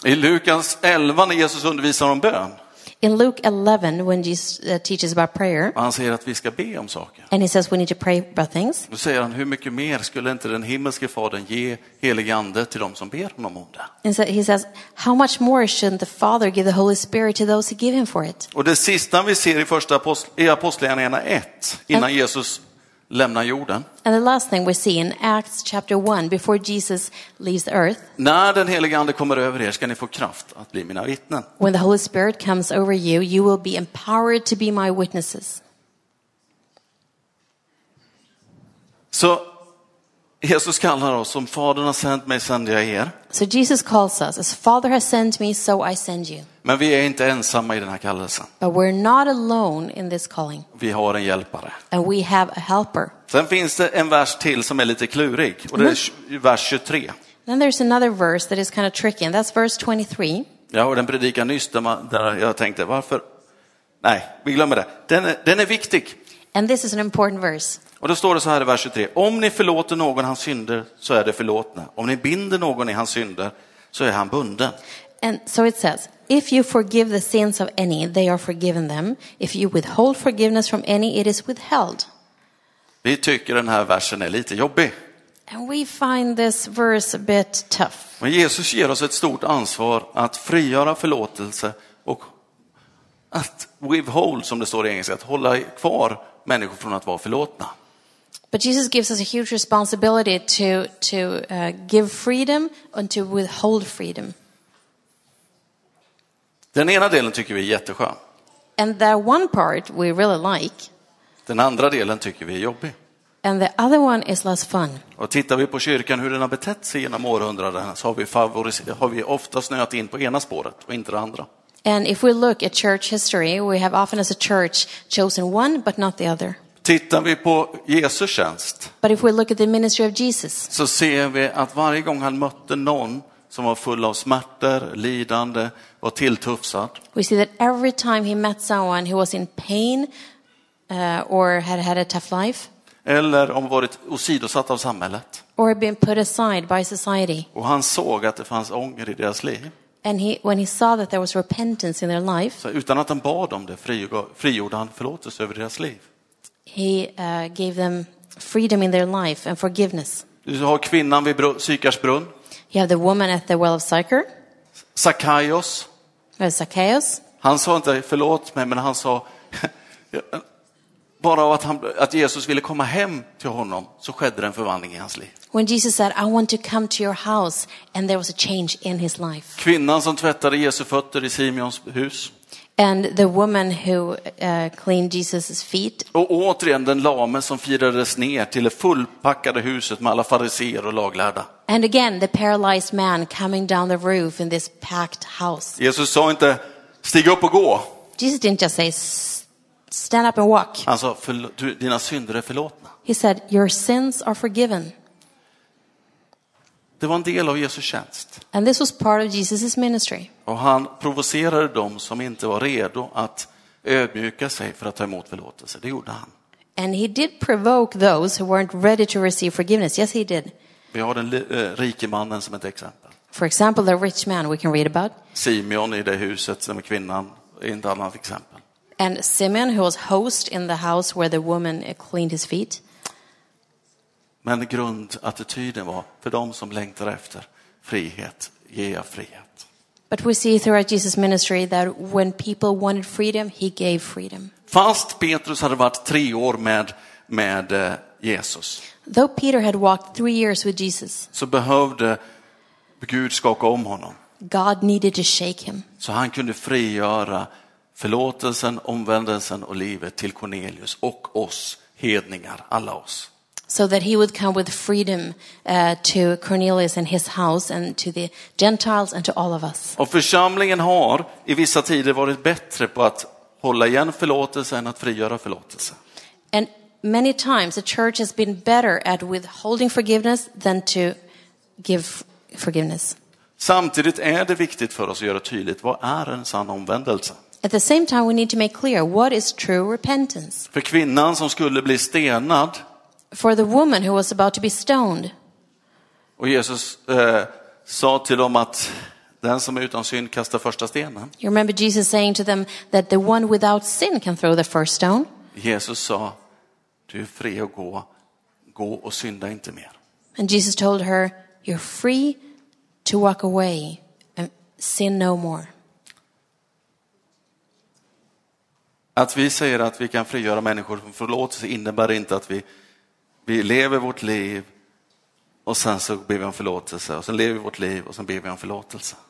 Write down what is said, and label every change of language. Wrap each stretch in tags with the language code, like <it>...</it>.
<sv>I Lukas 11 när Jesus undervisar om bön.</sv> <en>In Luke 11, when Jesus teaches about prayer,</en> <sv>han säger att vi ska be om saker.</sv> <en>And he says we need to pray about things.</en> <sv>Då säger han, hur mycket mer skulle inte den himmelske fadern ge helige ande till dem som ber honom om det?</sv> <en>And so he says, how much more should the Father give the Holy Spirit to those who give him for it?</en> <sv>Och det sista vi ser i första apostlagärningarna 1, innan Jesus lämnar jorden.</sv> <en>And the last thing we see in Acts chapter 1, before Jesus leaves the earth.</en> <sv>När den helige ande kommer över er ska ni få kraft att bli mina vittnen.</sv> <en>When the Holy Spirit comes over you, you will be empowered to be my witnesses.</en> <sv>Så Jesus kallar oss, som fadern har sänt mig sänder jag er.</sv> <en>So Jesus calls us, as Father has sent me, so I send you.</en> <sv>Men vi är inte ensamma i den här kallelsen.</sv> <en>But we're not alone in this calling.</en> <sv>Vi har en hjälpare.</sv> <en>And we have a helper.</en> <sv>Sen finns det en vers till som är lite klurig. Och det är vers 23.</sv> <en>Then there's another verse that is kind of tricky. And that's verse 23.</en> <sv>Jag hörde en predikan nyss där jag tänkte, varför? Nej, vi glömmer det. Den är viktig.</sv> <en>And this is an important verse.</en> <sv>Och då står det så här i vers 23. Om ni förlåter någon hans synder så är det förlåtna. Om ni binder någon i hans synder så är han bunden.</sv> <en>And so it says, if you forgive the sins of any, they are forgiven them. If you withhold forgiveness from any, it is withheld.</en> <sv>Vi tycker den här versen är lite jobbig.</sv> <en>And we find this verse a bit tough.</en> <sv>Men Jesus ger oss ett stort ansvar att frigöra förlåtelse och att withhold, som det står i engelska, att hålla kvar människor från att vara förlåtna.</sv> <en>But Jesus gives us a huge responsibility to give freedom and to withhold freedom.</en> <sv>Den ena delen tycker vi är jätteskön.</sv> <en>And the one part we really like.</en> <sv>Den andra delen tycker vi är jobbig.</sv> <en>And the other one is less fun.</en> <sv>Och tittar vi på kyrkan hur den har betett sig genom århundradena, så har vi ofta snöat in på ena spåret och inte det andra.</sv> <en>And if we look at church history, we have often as a church chosen one but not the other.</en> <sv>Tittar vi på Jesu tjänst.</sv> <en>But if we look at the ministry of Jesus.</en> <sv>Så ser vi att varje gång han mötte någon som var full av smärtor, lidande och tilltufsad.</sv> <en>We see that every time he met someone who was in pain or had a tough life.</en> <sv>Eller om varit osidosatt av samhället.</sv> <en>Or been put aside by society.</en> <sv>Och han såg att det fanns ånger i deras liv.</sv> <en>And when he saw that there was repentance in their life.</en> <sv>Så utan att han bad om det frigjorde han förlåtelse över deras liv.</sv> <en>He gave them freedom in their life and forgiveness.</en> <sv>Du har kvinnan vid Sykars brunn.</sv> <en>You have the woman at the well of Sychar. Zacchaeus.</en> <sv>Han sa inte förlåt mig, men han sa bara av att Jesus ville komma hem till honom så skedde en förvandling i hans liv.</sv> <en>When Jesus said I want to come to your house and there was a change in his life.</en> <sv>Kvinnan som tvättade Jesu fötter i Simeons hus.</sv> <en>And the woman who cleaned Jesus' feet.</en> <sv>Och återigen den lame som firades ner till det fullpackade huset med alla fariser och laglärda.</sv> <en>And again the paralyzed man coming down the roof in this packed house.</en> <sv>Jesus sa inte stig upp och gå.</sv> <en>Jesus didn't just say stand up and walk.</en> <sv>Han sa dina synder är förlåtna.</sv> <en>He said your sins are forgiven.</en> <sv>Det var en del av Jesu tjänst.</sv> <en>And this was part of Jesus's ministry.</en> <sv>Och han provocerade dem som inte var redo att ödmjuka sig för att ta emot förlåtelse. Det gjorde han.</sv> <en>And he did provoke those who weren't ready to receive forgiveness. Yes, he did.</en> <sv>Vi har den rike mannen som ett exempel.</sv> <en>For example, the rich man we can read about.</en> <sv>Simeon i det huset som kvinnan är ett annat exempel.</sv> <en>And Simeon, who was host in the house where the woman cleaned his feet.</en> <sv>Men grundattityden var för dem som längtar efter frihet, ge jag frihet.</sv> <en>But we see throughout Jesus' ministry that when people wanted freedom, he gave freedom.</en> <sv>Fast Petrus hade varit 3 år med Jesus.</sv> <en>Though Peter had walked 3 years with Jesus.</en> <sv>Så behövde Gud skaka om honom.</sv> <en>God needed to shake him.</en> <sv>Så han kunde frigöra förlåtelsen, omvändelsen och livet till Cornelius och oss hedningar, alla oss.</sv> <en>So that he would come with freedom to Cornelius and his house and to the Gentiles and to all of us.</en> <sv>Och församlingen har i vissa tider varit bättre på att hålla igen förlåtelse än att frigöra förlåtelse.</sv> <en>And many times the church has been better at withholding forgiveness than to give forgiveness.</en> <sv>Samtidigt är det viktigt för oss att göra tydligt vad är en sann omvändelse.</sv> <en>At the same time we need to make clear what is true repentance.</en> <sv>För kvinnan som skulle bli stenad.</sv> <en>For the woman who was about to be stoned.</en> <sv>Och Jesus sa till dem att den som är utan synd kastar första stenen.</sv> <en>You remember Jesus saying to them that the one without sin can throw the first stone.</en> <sv>Jesus sa, du är fri att gå. Gå och synda inte mer.</sv> <en>And Jesus told her, you're free to walk away and sin no more.</en> <sv>Att vi säger att vi kan frigöra människor från förlåtelse innebär inte att vi lever vårt liv och sen så ber vi om förlåtelse och sen lever vi vårt liv och sen ber vi om förlåtelse.</sv>